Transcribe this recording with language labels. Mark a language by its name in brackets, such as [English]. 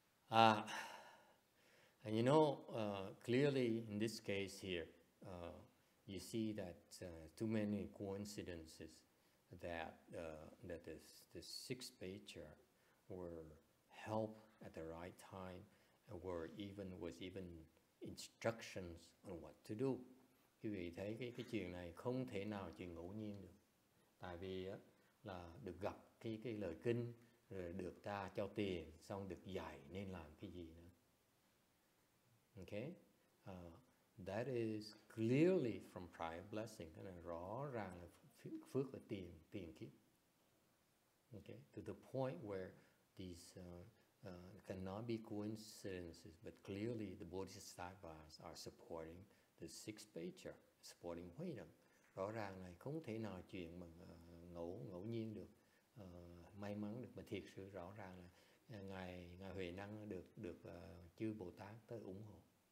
[English] And you know, clearly in this case here, you see that too many coincidences that the 6th Patriarch were helped at the right time, and was even instructions on what to do. [Vietnamese] Quý vị thấy cái chuyện này không thể nào chuyện ngẫu nhiên được. Tại vì là được gặp cái lời kinh, rồi được ta cho tiền, xong được dạy nên làm cái gì nữa. [English] Okay, that is clearly from prior blessing. [Vietnamese] And rõ ràng là phước và tiền kiếp. [English] Okay, to the point where these cannot be coincidences, but clearly the Bodhisattvas are supporting the 6th Patriarch, supporting HuiNeng. [Vietnamese] Rõ ràng này không thể nào chuyện mà ngẫu nhiên được, may mắn được, mà thiệt sự rõ ràng là ngài HuiNeng được chư Bồ Tát tới ủng hộ.